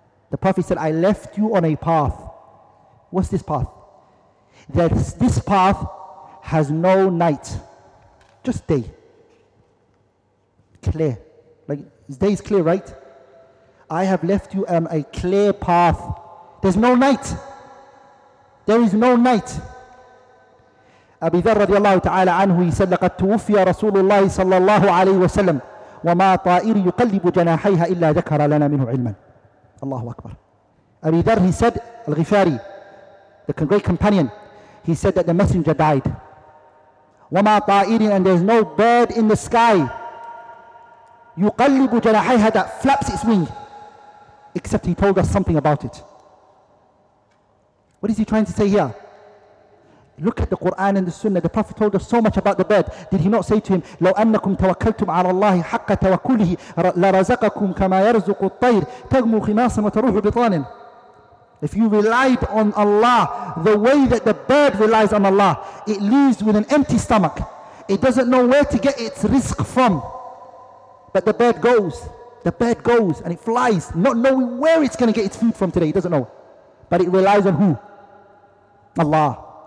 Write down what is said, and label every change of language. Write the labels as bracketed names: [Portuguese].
[English] The Prophet said, I left you on a path. What's this path? That this path has no night, just day. Clear. Like, day is clear, right? I have left you on a clear path. There's no night. There is no night. [Arabic] أبي ذر رضي الله تعالى عنه يسأل لقد توفي رسول الله صلى الله عليه وسلم وما طائر يقلب جناحيها إلا ذكر لنا منه علما. الله أكبر. [English] أبي ذر, he said, الغفاري, the great companion, he said that the messenger died. [Arabic] وما طائر, [English] and there's no bird in the sky, [Arabic] يقلب جناحيها, [English] that flaps its wing, except he told us something about it. What is he trying to say here? Look at the Quran and the Sunnah. The Prophet told us so much about the bird. Did he not say to him, [Arabic] لو أنكم توكلتم على الله حق توكله لرزقكم كما يرزق الطير تغمو خماصا وتروح بطانا. [English] If you relied on Allah the way that the bird relies on Allah, it leaves with an empty stomach. It doesn't know where to get its rizq from. But the bird goes. The bird goes and it flies, not knowing where it's going to get its food from today. It doesn't know. But it relies on who? Allah.